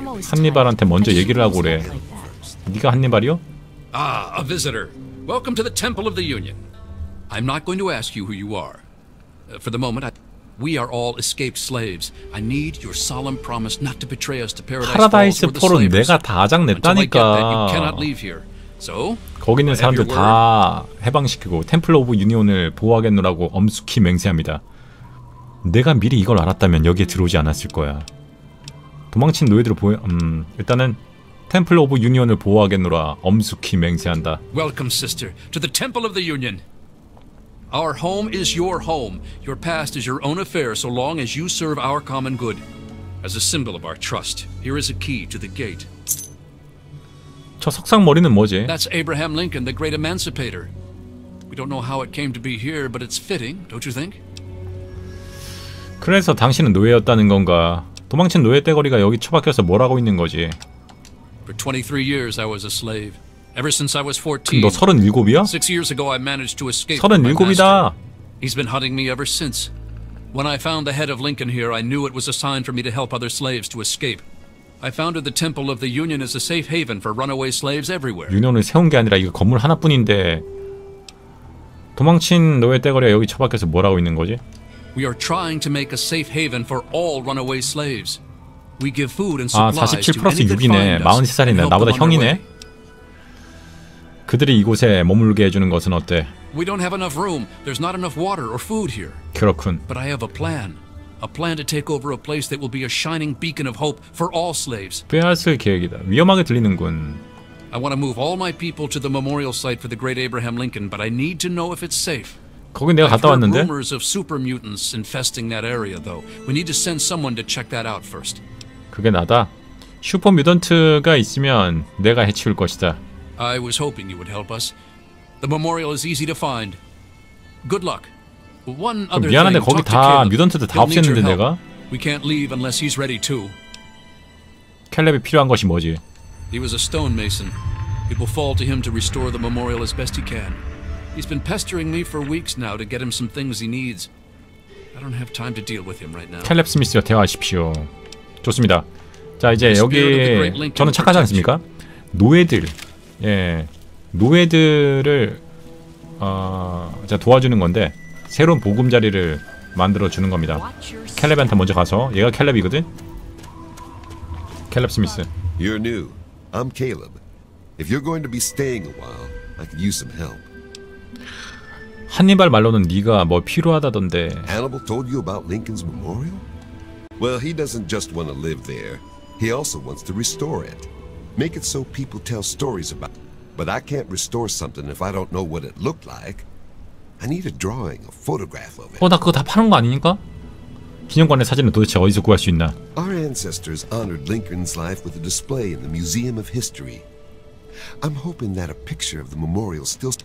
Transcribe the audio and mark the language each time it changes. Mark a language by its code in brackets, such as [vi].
[ko] 한니발한테 먼저 얘기를 하고 그래. 네가 한니발이요? [en] 아, a visitor. Welcome to the Temple of the Union. I'm not going to ask you who you are. For the moment, we are all escaped slaves. I need your solemn promise not to betray us to paradise. [ko] 파라다이스 폴은 내가 다 아장 냈다니까. [en] You cannot leave here. So, [ko] 거기 있는 사람들 다 해방시키고 템플 오브 유니온을 보호하겠노라고 엄숙히 맹세합니다. 내가 미리 이걸 알았다면 여기에 들어오지 않았을 거야. 도망친 노예들을 보여. 일단은 템플 오브 유니온을 보호하겠노라 엄숙히 맹세한다. [en] Welcome, sister, to the Temple of the Union. Our home is your home. Your past is your own affair so long as you serve our common good. As a symbol of our trust, here is a key to the gate. [ko] 저 석상 머리는 뭐지? [en] That's Abraham Lincoln, the great emancipator. We don't know how it came to be here, but it's fitting, don't you think? [ko] 그래서 당신은 노예였다는 건가? 도망친 노예 떼거리가 여기 처박혀서 뭘 하고 있는 거지? [en] For 23 years I was a slave. Ever since I was [ko] 14. 너 37이야? [en] 6 years ago I managed to escape. [ko] 37이다. [en] He's been hunting me ever since. When I found the head of Lincoln here, I knew it was a sign for me to help other slaves to escape. I founded the Temple of the Union as a safe haven for runaway slaves everywhere. [ko] 유니온을 세운 게 아니라 이거 건물 하나뿐인데 도망친 노예 떼거리가 여기 처박혀서 뭘 하고 있는 거지? [en] We are trying to make a safe haven for all runaway slaves. We give food and supplies to anyone who finds us. [ko] 43살이네. 나보다 형이네. 그들이 이곳에 머물게 해주는 것은 어때? [en] We don't have enough room. There's not enough water or food here. [ko] 그렇군. [en] But I have a plan. A plan to take over a place that will be a shining beacon of hope for all slaves. [ko] 빼앗을 계획이다. 위험하게 들리는군. [en] I want to move all my people to the memorial site for the great Abraham Lincoln, but I need to know if it's safe. [ko] 거긴 내가 갔다 왔는데. [en] I've heard rumors of super mutants infesting that area, though. We need to send someone to check that out first. [ko] 그게 나다. 슈퍼 뮤던트가 있으면 내가 해치울 것이다. [en] I was hoping you would help us. The memorial is easy to find. Good luck. One other thing. [ko] 미안한데 거기 다 뮤던트들 다 없앴는데 내가. [en] We can't leave unless he's ready too. [ko] 캘렙이 필요한 것이 뭐지? [en] He was a stonemason. It will fall to him to restore the memorial as best he can. He's been pestering me for weeks now to get him some things he needs. I don't have time to deal with him right now. [ko] 캘렙 스미스와 대화하십시오. 좋습니다. 자 이제 여기 저는 착하지 않습니까? 노예들. 예, 노예들을 자 도와주는 건데 새로운 보금자리를 만들어 주는 겁니다. 캘렙한테 먼저 가서 얘가 캘렙이거든. 캘렙 스미스. [en] You're new. I'm Caleb. If you're going to be staying a while, I could use some help. [ko] 한니발 말로는 네가 뭐 필요하다던데. [en] Hannibal told you about Lincoln's memorial? Well, he doesn't just want to live there. He also wants to restore it. Make it so people tell stories about it. But I can't restore something if I don't know what it looked like. I need a drawing, a photograph of it. [ko] 어, 나 그거 다 파는 거 아니니까? 기념관의 사진은 도대체 어디서 구할 수 있나? [en] Our ancestors honored Lincoln's life with a display in the Museum of History. I'm hoping that a picture of the memorial still...